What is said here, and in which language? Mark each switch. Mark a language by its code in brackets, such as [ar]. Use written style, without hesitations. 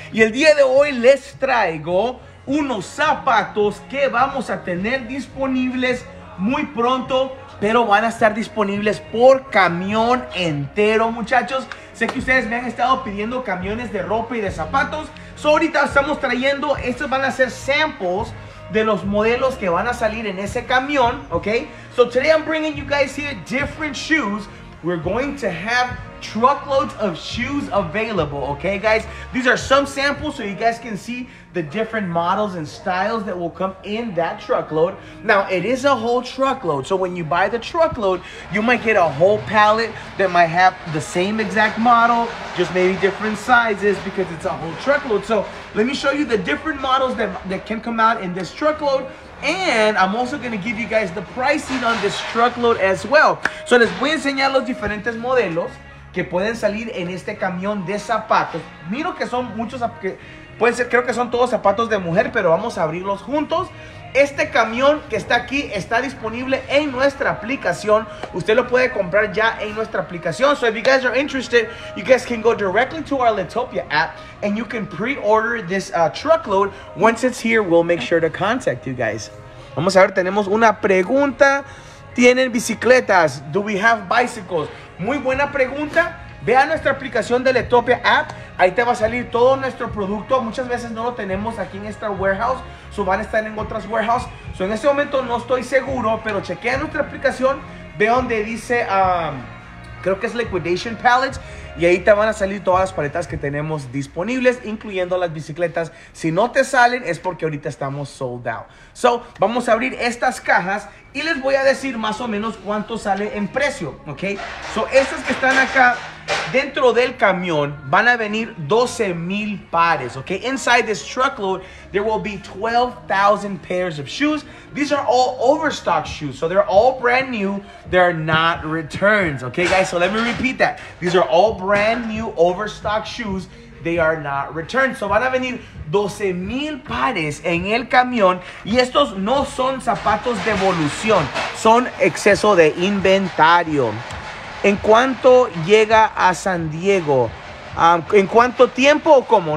[es] Y el día de hoy les traigo unos zapatos que vamos a tener disponibles muy pronto, pero van a estar disponibles por camión entero, muchachos. Sé que ustedes me han estado pidiendo camiones de ropa y de zapatos. So, ahorita estamos trayendo, estos van a ser samples de los modelos que van a salir en ese camión, ¿ok? [en] So today I'm bringing you guys here different shoes. We're going to have truckloads of shoes available, okay, guys? These are some samples so you guys can see the different models and styles that will come in that truckload. Now, it is a whole truckload, so when you buy the truckload, you might get a whole pallet that might have the same exact model, just maybe different sizes because it's a whole truckload. So let me show you the different models that can come out in this truckload. And I'm also going to give you guys the pricing on this truckload as well. [es] So les voy a enseñar los diferentes modelos que pueden salir en este camión de zapatos. Miro que son muchos, que puede ser, creo que son todos zapatos de mujer, pero vamos a abrirlos juntos. Este camión que está aquí está disponible en nuestra aplicación. Usted lo puede comprar ya en nuestra aplicación. [en] So if you guys are interested, you guys can go directly to our Litopia app and you can pre-order this truckload. Once it's here, we'll make sure to contact you guys. [es] Vamos a ver, tenemos una pregunta. ¿Tienen bicicletas? [en] Do we have bicycles? [es] Muy buena pregunta. Ve a nuestra aplicación de Litopia app. Ahí te va a salir todo nuestro producto. Muchas veces no lo tenemos aquí en esta warehouse. So van a estar en otras warehouse. So en este momento no estoy seguro, pero chequea nuestra aplicación. Ve donde dice, creo que es liquidation pallets. Y ahí te van a salir todas las paletas que tenemos disponibles, incluyendo las bicicletas. Si no te salen, es porque ahorita estamos sold out. So, vamos a abrir estas cajas y les voy a decir más o menos cuánto sale en precio, ¿ok? So, estas que están acá dentro del camión van a venir 12,000 pares, ¿ok? [en] Inside this truckload, there will be 12,000 pairs of shoes. These are all overstock shoes, so they're all brand new. They're not returns, ¿ok, guys? So, let me repeat that. These are all brand new overstock shoes. They are not returned. [es] So van a venir 12,000 pares en el camión. Y estos no son zapatos de evolución. Son exceso de inventario. ¿En cuánto llega a San Diego? ¿En cuánto tiempo o cómo?